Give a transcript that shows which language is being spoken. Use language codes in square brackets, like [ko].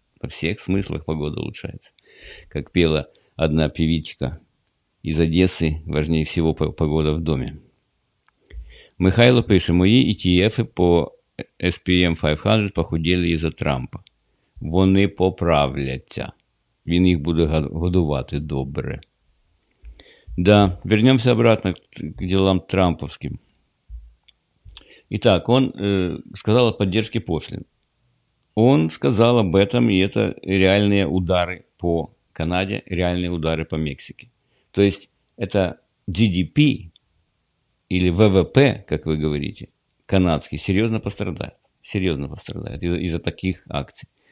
[ru] Во всех смыслах погода улучшается. Как пела одна певичка из Одессы: важнее всего погода в доме. Михайло пишет: мои ETF по SPM 500 похудели из-за Трампа. [uk] Вони поправляться. Він їх буде годувати добре. [ru] Да, вернемся обратно к делам трамповским. Итак, он сказал о поддержке пошлин. Он сказал об этом, и это реальные удары по Канаде, реальные удары по Мексике. То есть это GDP или ВВП, как вы говорите, канадский, серьезно пострадает из-за таких акций.